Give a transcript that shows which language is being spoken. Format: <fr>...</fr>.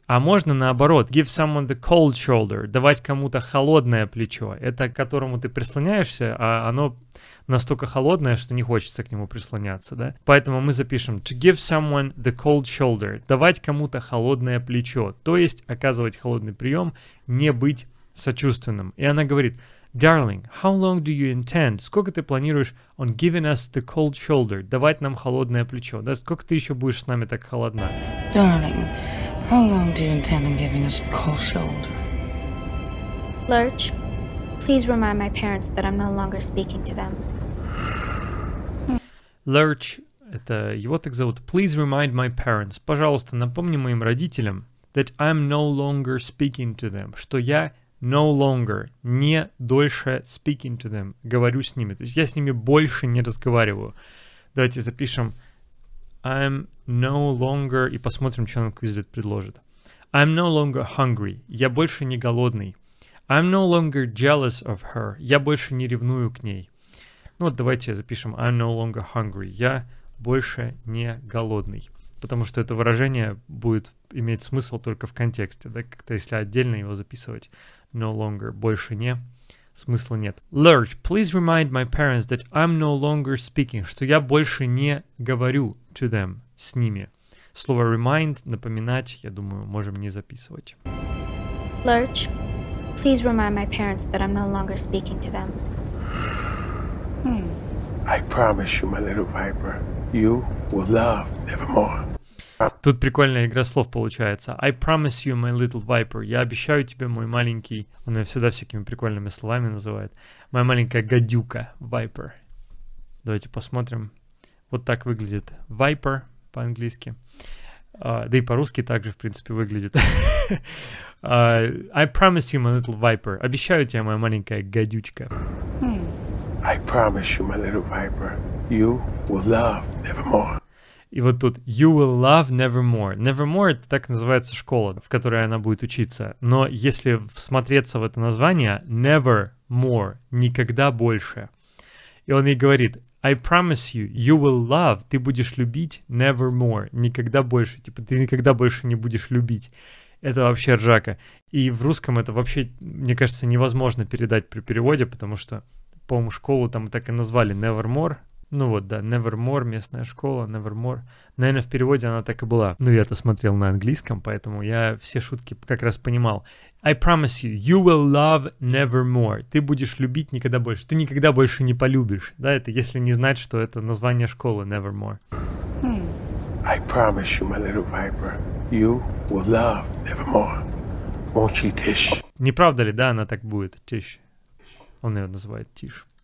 <ru>А можно наоборот,</ru> <en>give someone the cold shoulder,</en> <ru>давать кому-то холодное плечо, это к которому ты прислоняешься, а оно настолько холодное, что не хочется к нему прислоняться, да? Поэтому мы запишем</ru> <en>to give someone the cold shoulder,</en> <ru>давать кому-то холодное плечо, то есть оказывать холодный прием, не быть сочувственным. И она говорит...</ru> <en>Darling, how long do you intend?</en> <ru>Сколько ты планируешь</ru> <en>on giving us the cold shoulder? Давать нам холодное плечо. Да, сколько ты еще будешь с нами так холодна? Darling, how long do you intend on giving us the cold shoulder? Lurch, please remind my parents that I'm no longer speaking to them.</en> <ru>Lurch, это его так зовут.</ru> <en>Please remind my parents.</en> <ru>Пожалуйста, напомни моим родителям</ru> <en>that I'm no longer speaking to them.</en> <ru>Что я...</ru> <en>No longer,</en> <ru>не дольше</ru> <en>speaking to them,</en> <ru>говорю с ними. То есть я с ними больше не разговариваю. Давайте запишем</ru> <en>I'm no longer,</en> <ru>и посмотрим, что нам Quizlet предложит.</ru> <en>I'm no longer hungry,</en> <ru>я больше не голодный.</ru> <en>I'm no longer jealous of her,</en> <ru>я больше не ревную к ней. Ну вот давайте запишем</ru> <en>I'm no longer hungry,</en> <ru>я больше не голодный. Потому что это выражение будет иметь смысл только в контексте, да, как-то если отдельно его записывать.</ru> <en>No longer,</en> <ru>больше не, смысла нет.</ru> <en>Lurch, please remind my parents that I'm no longer speaking,</en> <ru>что я больше не говорю</ru> <en>to them,</en> <ru>с ними. Слово remind, напоминать, я думаю, можем не записывать.</ru> <en>Lurch, please remind my parents that I'm no longer speaking to them. I promise you, my little viper, you will love nevermore.</en> <ru>Тут прикольная игра слов получается.</ru> <en>I promise you, my little viper.</en> <ru>Я обещаю тебе, мой маленький... Он меня всегда всякими прикольными словами называет. Моя маленькая гадюка. Viper. Давайте посмотрим. Вот так выглядит viper по-английски. Да и по-русски также, в принципе, выглядит.</ru> <en>I promise you, my little viper.</en> <ru>Обещаю тебе, моя маленькая гадючка.</ru> <en>I promise you, my little viper. You will love nevermore.</en> <ru>И вот тут</ru> <en>you will love nevermore.</en> <ru>Nevermore — это так называется школа, в которой она будет учиться. Но если всмотреться в это название, nevermore — никогда больше. И И он ей говорит:</ru> <en>I promise you, you will love,</en> <ru>ты будешь любить nevermore, никогда больше, типа ты никогда больше не будешь любить. Это вообще ржака. И в русском это вообще, мне кажется, невозможно передать при переводе, потому что, по-моему, школу там так и назвали nevermore. Ну вот, да, Nevermore, местная школа, Nevermore. Наверное, в переводе она так и была. Но я-то смотрел на английском, поэтому я все шутки как раз понимал.</ru> <en>I promise you, you will love Nevermore.</en> <ru>Ты будешь любить никогда больше. Ты никогда больше не полюбишь. Да, это если не знать, что это название школы Nevermore.</ru> <en>I promise you, my little viper, you will love Nevermore. Won't you, Tish?</en> <ru>Не правда ли, да, она так будет, Tish? Он ее называет Tish.</ru>